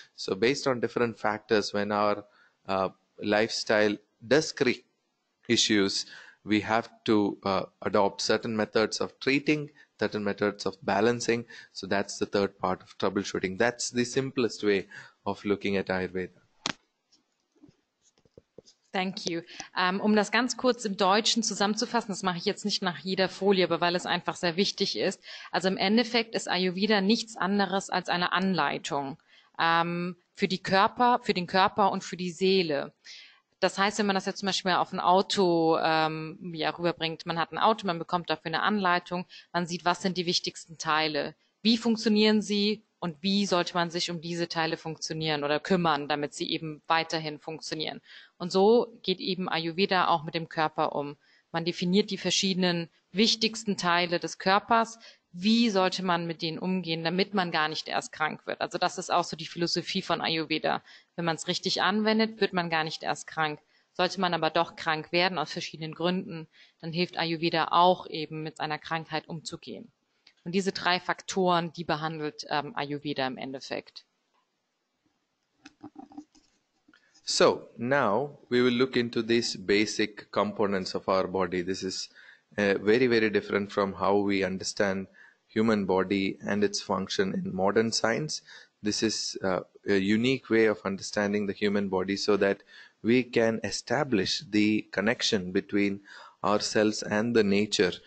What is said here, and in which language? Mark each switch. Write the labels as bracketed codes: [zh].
[en] So based on different factors, when our lifestyle does create issues, we have to adopt certain methods of treating, certain methods of balancing. So that's the third part of troubleshooting. That's the simplest way of looking at Ayurveda. Thank you. [de] Um das ganz kurz im Deutschen zusammenzufassen, das mache ich jetzt nicht nach jeder Folie, aber weil es einfach sehr wichtig ist. Also im Endeffekt ist Ayurveda nichts anderes als eine Anleitung für die Körper, für den Körper und für die Seele. Das heißt, wenn man das jetzt zum Beispiel auf ein Auto rüberbringt, man hat ein Auto, man bekommt dafür eine Anleitung, man sieht, was sind die wichtigsten Teile, wie funktionieren sie und wie sollte man sich um diese Teile funktionieren oder kümmern, damit sie eben weiterhin funktionieren. Und so geht eben Ayurveda auch mit dem Körper um. Man definiert die verschiedenen wichtigsten Teile des Körpers, wie sollte man mit denen umgehen, damit man gar nicht erst krank wird. Also das ist auch so die Philosophie von Ayurveda. Wenn man es richtig anwendet, wird man gar nicht erst krank. Sollte man aber doch krank werden aus verschiedenen Gründen, dann hilft Ayurveda auch eben mit seiner Krankheit umzugehen. Und diese drei Faktoren, die behandelt Ayurveda im Endeffekt. [en] So, now we will look into these basic components of our body. This is very, very different from how we understand human body and its function in modern science. This is a unique way of understanding the human body so that we can establish the connection between ourselves and the nature.